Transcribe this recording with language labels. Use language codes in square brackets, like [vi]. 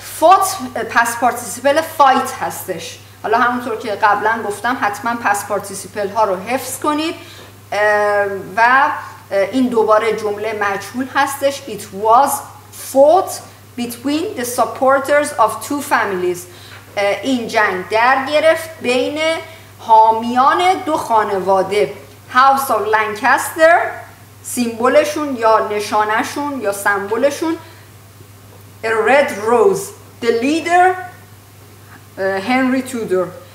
[fa] Fought پس پارتیسیپل فایت هستش، حالا همونطور که قبلا گفتم حتما پس پارتیسیپل ها رو حفظ کنید و این دوباره جمله مجهول هستش. [en] It was fought between the supporters of two families. [fa] این جنگ در گرفت بین حامیان دو خانواده، House of Lancaster سیمبولشون یا نشانهشون یا سمبولشون [en] A red rose, the leader Henry Tudor.